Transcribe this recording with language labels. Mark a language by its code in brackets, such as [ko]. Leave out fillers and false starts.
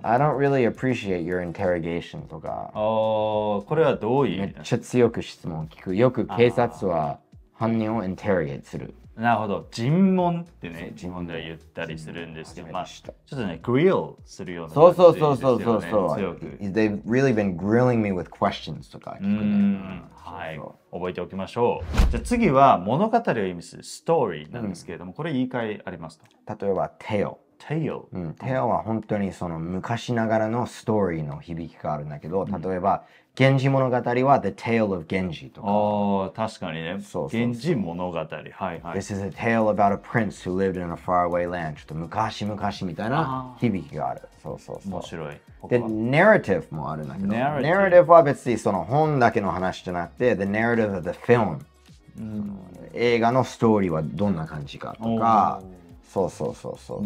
[en] I don't really appreciate your interrogation とか。 [ja] おお、これはどういう意味？めっちゃ強く質問聞く。よく警察は犯人をinterrogateする。なるほど、尋問ってね、尋問では言ったりするんですけど、まあ、ちょっとね、grill するような感じですよね。そうそうそうそうそう。 [en] They've really been grilling me with questions とか [ja] 聞くね。うん、はい、覚えておきましょう。じゃあ次は物語を意味するストーリーなんですけれども、うん、これ言い換えありますと。例えば、tale。 [en] Tale。 [ja] うん、tale は本当にその昔ながらのストーリーの響きがあるんだけど、例えば、うん、源氏物語は The Tale of Genji とか。ああ、確かにね。そうそうそう、源氏物語、はいはい。 [en] This is a tale about a prince who lived in a faraway land。 [ja] ちょっと昔々みたいな響きがある。そうそうそう。面白い。で、narrative もあるんだけど、 [en] narrative [ja] は別にその本だけの話じゃなくて、 [en] The narrative of the film。 [ja] 映画のストーリーはどんな感じかとか。そうそうそうそう。